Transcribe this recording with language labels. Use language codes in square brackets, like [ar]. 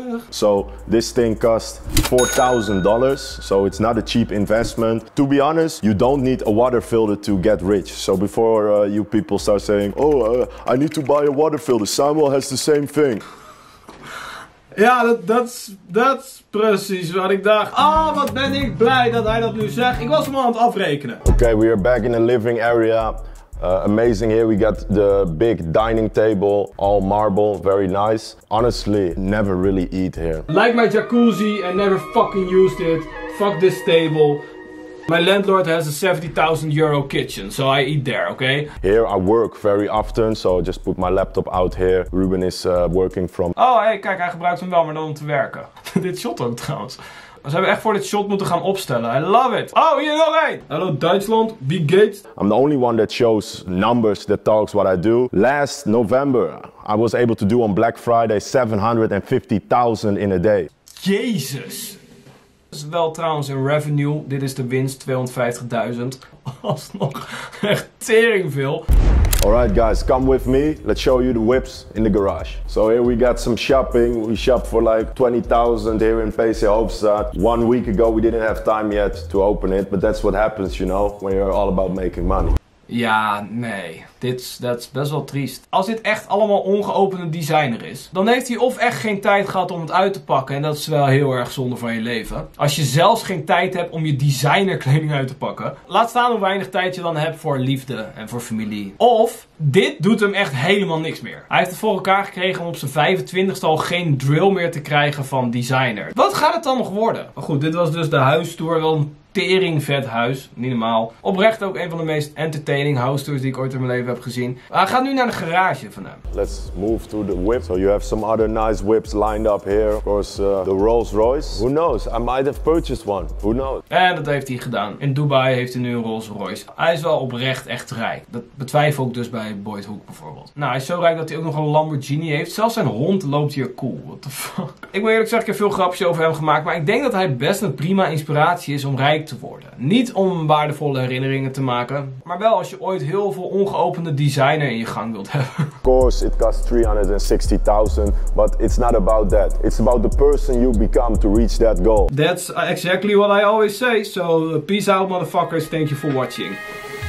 [en] So this thing cost $4,000, so it's not a cheap investment. To be honest, you don't need a water filter to get rich. So before you people start saying, I need to buy a water filter, Samuel has the same thing. [nl] Ja, dat's precies wat ik dacht. Ah, wat ben ik blij dat hij dat nu zegt. Ik was hem al aan het afrekenen. [en] Okay, we are back in the living area. Amazing here, we got the big dining table, all marble, very nice. Honestly, never really eat here. Like my jacuzzi and never fucking used it. Fuck this table. My landlord has a 70,000 euro kitchen, so I eat there, okay? Here I work very often, so I just put my laptop out here. Ruben is working from... [nl] Oh, hey, kijk, hij gebruikt hem wel, maar dan om te werken. Dit shot ook trouwens. Ze hebben echt voor dit shot moeten gaan opstellen. [en] I love it. [nl] Oh, hier nog één. Hallo Duitsland, Big Gates. [en] I'm the only one that shows numbers, that talks what I do. Last November, I was able to do on Black Friday 750,000 in a day. [nl] Jezus. Dat is wel trouwens in revenue. Dit is de winst, 250.000. Alsnog echt tering veel. [en] Alright guys, come with me. Let's show you the whips in the garage. So here we got some shopping. We shop for like 20,000 here in Pace Hoofdstad. 1 week ago we didn't have time yet to open it, but that's what happens, you know, when you're all about making money. [nl] Ja, nee. Dat's best wel triest. Als dit echt allemaal ongeopende designer is, dan heeft hij of echt geen tijd gehad om het uit te pakken. En dat is wel heel erg zonde van je leven. Als je zelfs geen tijd hebt om je designerkleding uit te pakken. Laat staan hoe weinig tijd je dan hebt voor liefde en voor familie. Of, dit doet hem echt helemaal niks meer. Hij heeft het voor elkaar gekregen om op zijn 25ste al geen drill meer te krijgen van designer. Wat gaat het dan nog worden? Maar goed, dit was dus de huistour wel... Tering vet huis, niet normaal. Oprecht ook een van de meest entertaining house tours die ik ooit in mijn leven heb gezien. Hij gaat nu naar de garage van hem. [en] Let's move to the whip. So you have some other nice whips lined up here. Of course, the Rolls Royce. Who knows? I might have purchased one. Who knows? [nl] En dat heeft hij gedaan. In Dubai heeft hij nu een Rolls Royce. Hij is wel oprecht echt rijk. Dat betwijfel ik dus bij Boyd Hook bijvoorbeeld. Nou, hij is zo rijk dat hij ook nog een Lamborghini heeft. Zelfs zijn hond loopt hier cool. [en] What the fuck? [nl] Ik moet eerlijk zeggen, ik heb veel grapjes over hem gemaakt. Maar ik denk dat hij best een prima inspiratie is om rijk te worden. Niet om waardevolle herinneringen te maken, maar wel als je ooit heel veel ongeopende designer in je gang wilt hebben. [en] Of course it costs 360,000, but it's not about that. It's about the person you become to reach that goal. That's exactly what I always say. So peace out motherfuckers, thank you for watching.